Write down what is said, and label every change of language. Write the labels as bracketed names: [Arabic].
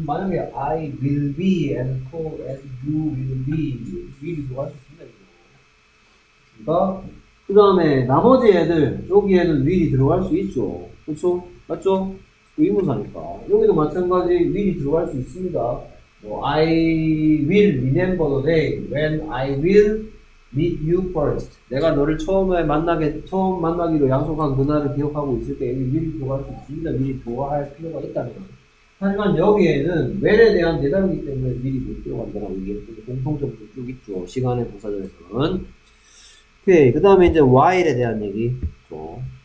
[Korean] 만약에 [English] I will be as tall as you will be. [Korean] will이 들어갈 수 있습니다. 됐습니까? 그 다음에 나머지 애들, 여기에는 will이 들어갈 수 있죠. 그렇죠? 맞죠? 의무사니까. 여기도 마찬가지 will이 들어갈 수 있습니다. 뭐, [English] I will remember the day when I will meet you first. [Korean] 내가 너를 처음에 만나게, 처음 만나기로 약속한 그날을 기억하고 있을 때 여기 will이 들어갈 수 있습니다. will이 들어갈 필요가 있다는 거죠. 하지만 여기에는 when에 대한 대답이기 때문에 will이 못 들어간다고 얘기했고, 공통점도 쭉 있죠. 시간의 부사전에서는. 오케이. 그 다음에 이제 while에 대한 얘기. 또.